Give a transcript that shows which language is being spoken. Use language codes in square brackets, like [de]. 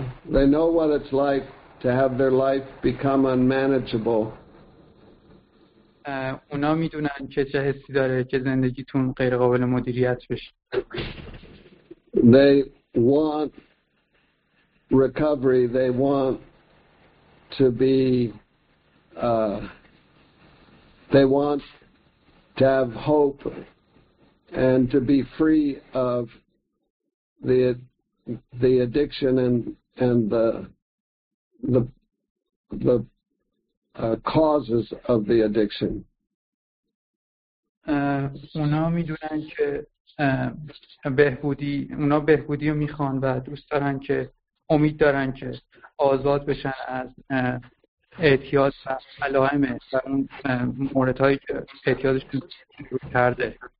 [en] They know what it's like to have their life become unmanageable. [fa] اونا میدونن که چه حسی داره که زندگیتون غیر قابل مدیریت بشه. [en] They want recovery. They want to be they want to have hope and to be free of the addiction and the causes of the addiction. [fa] اونا میدونن که بهبودی اونا بهبودی رو میخوان و دوست دارن که امید دارن که آزاد بشن از اعتیاد و علائم و اون موردهایی که اعتیادشون شروع کرده.